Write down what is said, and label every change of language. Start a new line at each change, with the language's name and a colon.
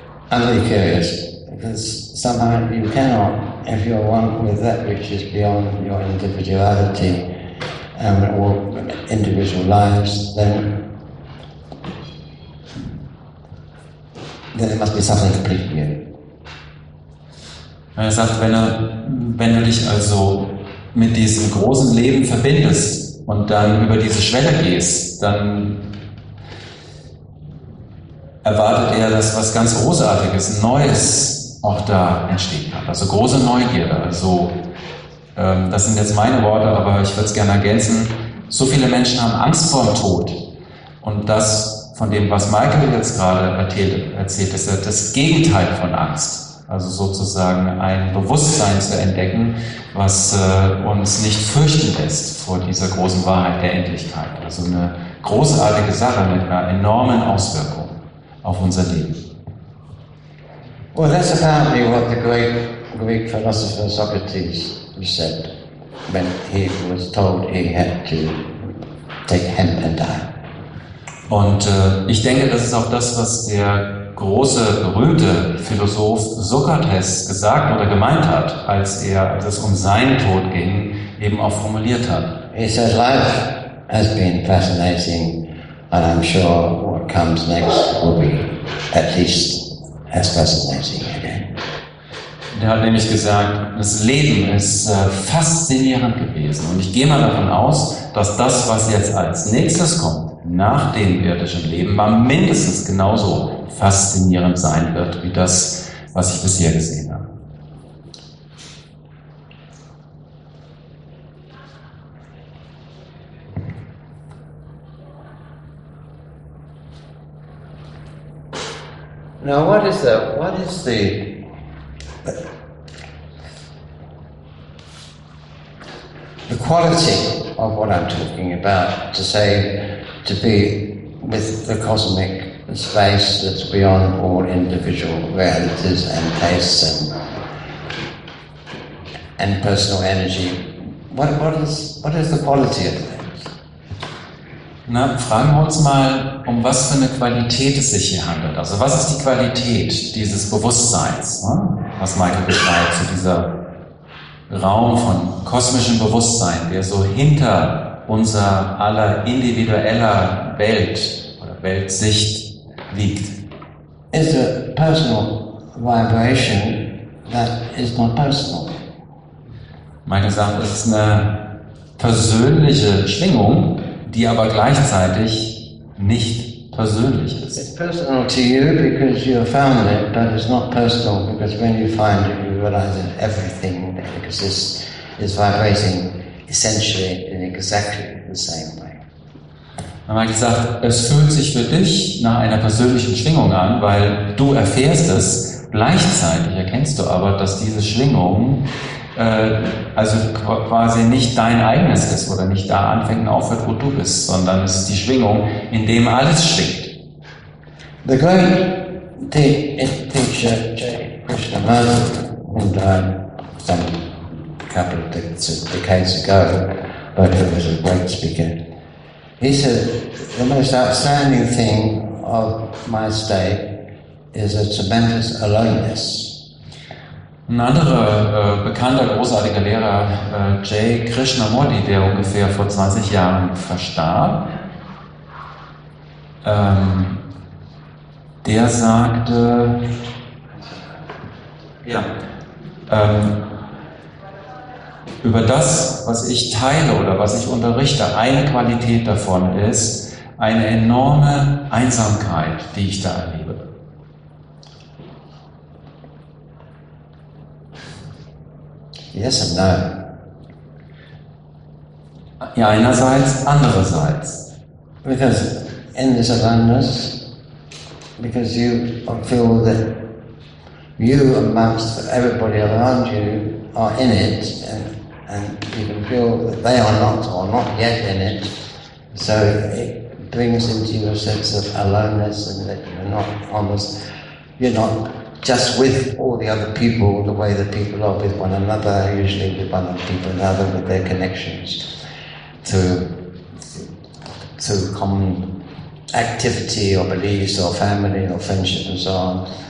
English: I'm really curious, because somehow you cannot, if you're one with that which is beyond your individuality and or individual lives, then there must be something completely new.
German: Er sagt, wenn du dich also mit diesem großen Leben verbindest und dann über diese Schwelle gehst, dann erwartet er, dass was ganz Großartiges, Neues auch da entstehen kann. Also große Neugierde. Also, das sind jetzt meine Worte, aber ich würde es gerne ergänzen. So viele Menschen haben Angst vor dem Tod. Und das, von dem, was Michael jetzt gerade erzählt, ist ja das Gegenteil von Angst. Also sozusagen ein Bewusstsein zu entdecken, was uns nicht fürchten lässt vor dieser großen Wahrheit der Endlichkeit. Also eine großartige Sache mit einer enormen Auswirkung auf unser Leben.
English: Well, that's apparently what the great Greek philosopher Socrates said when he was told he had to take hemp and die.
German: Und ich denke, das ist auch das, was der große, berühmte Philosoph Sokrates gesagt oder gemeint hat, als es um seinen Tod ging, eben auch formuliert hat.
English: He says life has been fascinating, and I'm sure what comes next will be at least as fascinating again.
German: Der hat nämlich gesagt, das Leben ist faszinierend gewesen. Und ich gehe mal davon aus, dass das, was jetzt als nächstes kommt, nach dem irdischen Leben, war mindestens genauso faszinierend sein wird, wie das, was ich bisher gesehen habe.
English: Now what is the quality of what I'm talking about to say to be with the cosmic space that's beyond all individual realities and place and personal energy. What is the quality of that?
German: Na, fragen wir uns mal, um was für eine Qualität es sich hier handelt. Also was ist die Qualität dieses Bewusstseins, was Michael beschreibt, so dieser Raum von kosmischem Bewusstsein, der so hinter unser aller individueller Welt oder Weltsicht liegt.
English: It's a personal vibration that is not personal.
German: Michael sagt, es ist eine persönliche Schwingung, die aber gleichzeitig nicht persönlich ist.
English: It's personal to you because you have found it, but it's not personal because when you find it, you realize that everything that exists is vibrating essentially in exactly the same way.
German: Man hat gesagt, es fühlt sich für dich nach einer persönlichen Schwingung an, weil du erfährst es. Gleichzeitig erkennst du aber, dass diese Schwingung also quasi nicht dein eigenes ist oder nicht da anfängt und aufhört, wo du bist, sondern es ist die Schwingung, in dem alles schwingt.
English: The great teacher Jay Krishnamurti, who died some couple of decades ago, but he was a great speaker. He said, the most outstanding thing of my state is a tremendous aloneness.
German: Ein anderer bekannter, großartiger Lehrer, Jay Krishnamurti, der ungefähr vor 20 Jahren verstarb, der sagte, über das, was ich teile oder was ich unterrichte, eine Qualität davon ist eine enorme Einsamkeit, die ich da erlebe.
English: Yes and no.
German: Ja, einerseits, andererseits.
English: Because in this aloneness, because you feel that you amongst everybody around you are in it, and you can feel that they are not or not yet in it, so it brings into you a sense of aloneness and that you're not just with all the other people, the way that people are with one another, usually with one people another, with their connections to common activity or beliefs or family or friendship and so on.